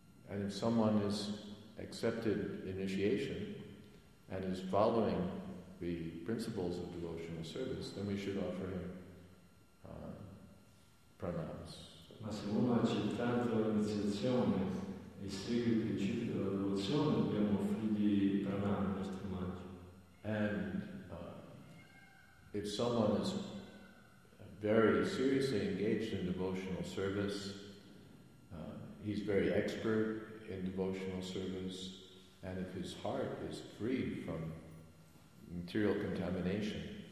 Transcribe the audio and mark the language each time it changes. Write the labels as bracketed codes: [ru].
[en] And if someone has accepted initiation and is following the principles of devotional service, then we should offer him pranams. [it] Ma se uno ha accettato l'iniziazione e segue il principio della devozione, dobbiamo offrirgli pranam, il nostro omaggio. [en] And if someone is very seriously engaged in devotional service, he's very expert in devotional service, and if his heart is free from material contamination,